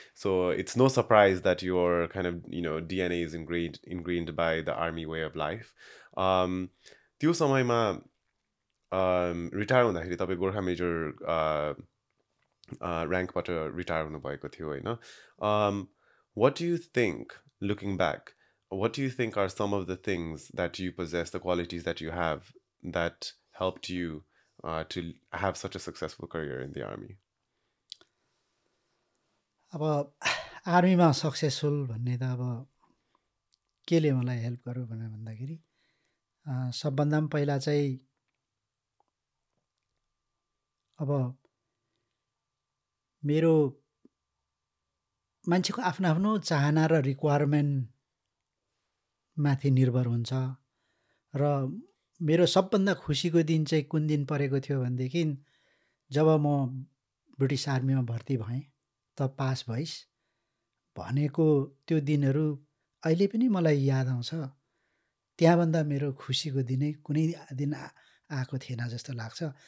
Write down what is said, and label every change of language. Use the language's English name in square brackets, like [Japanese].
[English] So it's no surprise that your kind of you know DNA is ingrained by the army way of life. [Nepali] त्यो समयमा retire हुँदाखेरि तपाईँ Gorkha major ऱ्याङ्कबाट retire हुनुभएको थियो, होइन. [English] What do you think, looking back, what do you think are some of the things that you possess, the qualities that you have, that helped you to have such a successful career in the army? [Nepali] Aba army ma successful bhanne ta aba ke le malai help garyo bhanne bhanda keri sab bhanda ma pahila chai aba mero manchheko afno afno chahana ra requirement माथि निर्भर हुन्छ. र मेरो सबभन्दा खुसीको दिन चाहिँ कुन दिन परेको थियो भनेदेखि जब म ब्रिटिस आर्मीमा भर्ती भएँ त पास भइस भनेको त्यो दिनहरू अहिले पनि मलाई याद आउँछ. त्यहाँभन्दा मेरो खुसीको दिनै कुनै दिन आएको थिएन जस्तो लाग्छ.